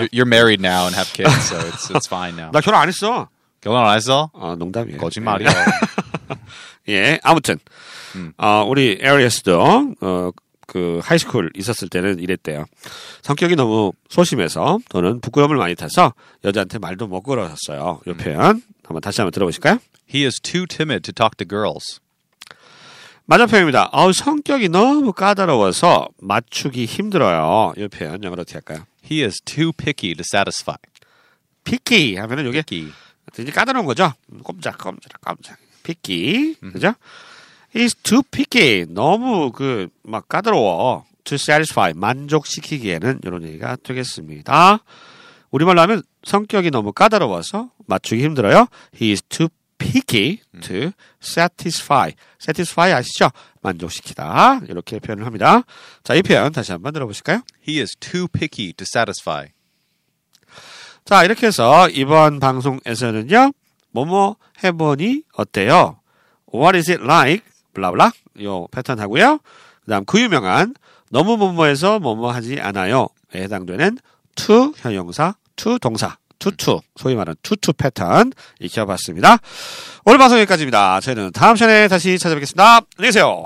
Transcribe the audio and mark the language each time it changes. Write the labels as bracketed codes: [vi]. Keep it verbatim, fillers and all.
[en] You're, you're married now and have kids, so it's it's fine now. [ko] 나 결혼 안 했어. 결혼 안 했어? 아, 농담이에요. 거짓말이야. 예, 아무튼 음. 어, 우리 에리어스도 어, 그 하이스쿨 있었을 때는 이랬대요. 성격이 너무 소심해서 또는 부끄러움을 많이 타서 여자한테 말도 못 걸었었어요. 이 표현 한번 다시 한번 들어보실까요? [en] He is too timid to talk to girls. [ko] 맞은 표현입니다. 어, 성격이 너무 까다로워서 맞추기 힘들어요. 이 표현 영어로 어떻게 할까요? [en] He is too picky to satisfy. [ko] picky 하면은 이게 되게 까다로운 거죠. 꼼짝 꼼짝 꼼짝. picky 음. 그죠? [en] He's too picky. [ko] 너무 그 막 까다로워. [en] To satisfy. [ko] 만족시키기에는 이런 얘기가 되겠습니다. 우리말로 하면 성격이 너무 까다로워서 맞추기 힘들어요. [en] He is too picky to satisfy. [ko] satisfy 아시죠? 만족시키다. 이렇게 표현을 합니다. 자, 이 표현 다시 한번 들어보실까요? [en] He is too picky to satisfy. [ko] 자, 이렇게 해서 이번 방송에서는요. 뭐뭐 해보니 어때요? [en] What is it like? [ko] 블라블라 요 패턴 하고요. 그 다음 그 유명한 너무 뭐뭐해서 뭐뭐 하지 않아요에 해당되는 to 형용사, to 동사, to to 소위 말하는 to to 패턴 익혀봤습니다. 오늘 방송 여기까지입니다. 저희는 다음 시간에 다시 찾아뵙겠습니다. 안녕히 계세요.